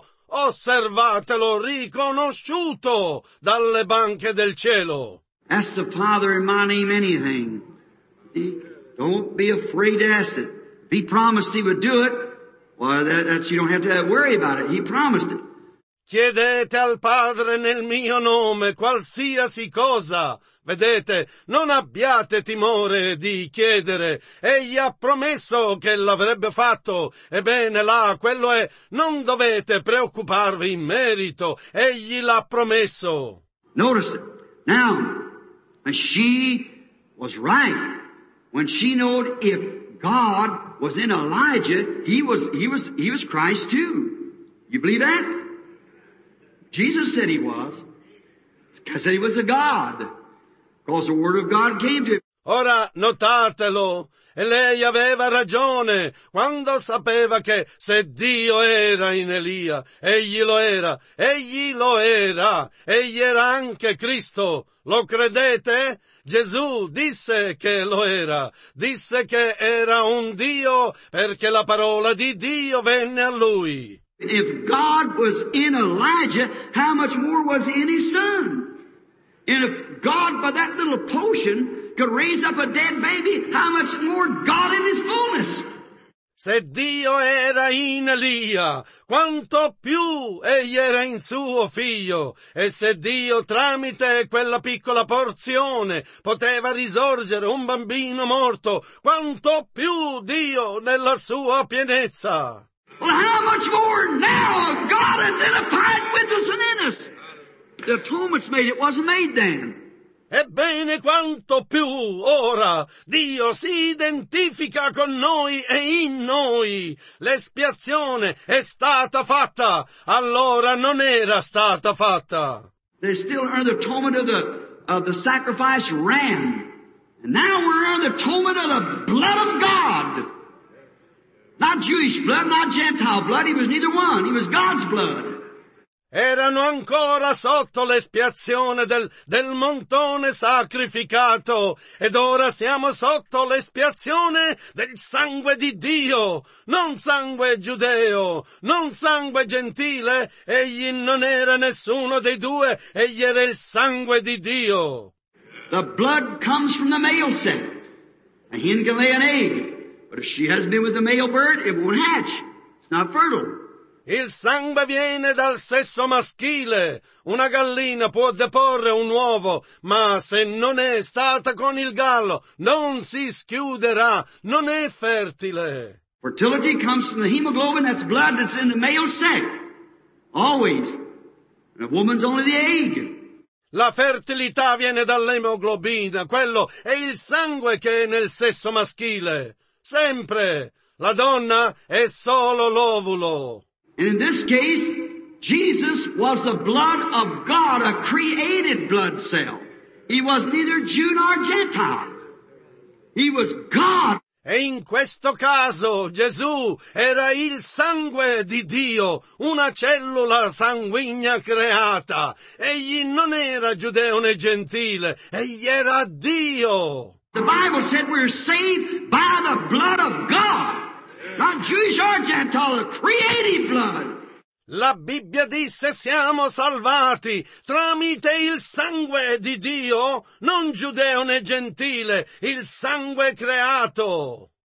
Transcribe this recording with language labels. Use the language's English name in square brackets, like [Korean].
[Italian] Osservatelo riconosciuto dalle banche del cielo. [English] Ask the Father in my name anything. Don't be afraid to ask it. He promised He would do it. Well, that's you don't have to worry about it. He promised it. [Italian] Chiedete al Padre nel mio nome qualsiasi cosa. Vedete, non abbiate timore di chiedere. Egli ha promesso che l'avrebbe fatto. Ebbene là, quello è, non dovete preoccuparvi in merito. Egli l'ha promesso. [English] Notice it. Now, she was right when she knowed if God was in Elijah, he was Christ too. You believe that? Jesus said he was, because he was a God, because the word of God came to him. [Italian] Ora notatelo, e lei aveva ragione, quando sapeva che se Dio era in Elia, egli lo era, egli era anche Cristo, lo credete? Gesù disse che lo era, disse che era un Dio, perché la parola di Dio venne a lui. [English] If God was in Elijah, how much more was He in His Son? And if God, by that little potion, could raise up a dead baby, how much more God in His fullness? [Italian] Se Dio era in Elia, quanto più Egli era in suo figlio. E se Dio tramite quella piccola porzione poteva risorgere un bambino morto, quanto più Dio nella sua pienezza. [English] Well, how much more now God identified with us and in us? The atonement's made, it wasn't made then. [Italian] Ebbene, quanto più ora Dio si identifica con noi e in noi. L'espiazione è stata fatta, allora non era stata fatta. [English] They still earn the atonement of the sacrifice ram. And now we're earning the atonement of the blood of God. Not Jewish blood, not Gentile blood, he was neither one, he was God's blood. [Italian] Erano ancora sotto l'espiazione del montone sacrificato, ed ora siamo sotto l'espiazione del sangue di Dio, non sangue giudeo, non sangue gentile, egli non era nessuno dei due, egli era il sangue di Dio. [English] The blood comes from the male set. A hen can lay an egg. But if she has been with a male bird, it won't hatch. It's not fertile. [Italian] Il sangue viene dal sesso maschile. Una gallina può deporre un uovo, ma se non è stata con il gallo, non si schiuderà. Non è fertile. [English] Fertility comes from the hemoglobin, that's blood that's in the male sac. Always. And a woman's only the egg. [Italian] La fertilità viene dall'emoglobina. Quello è il sangue che è nel sesso maschile. Sempre la donna è solo l'ovulo. [English] And in this case, Jesus was the blood of God, a created blood cell. He was neither Jew nor Gentile. He was God. [Italian] E in questo caso Gesù era il sangue di Dio, una cellula sanguigna creata. Egli non era giudeo né gentile, egli era Dio. [English] The Bible said we're saved by the blood of God. Not Jewish or Gentile, the creative blood. [Italian] La Bibbia disse siamo salvati tramite il sangue di Dio, non giudeo né gentile, il sangue creato.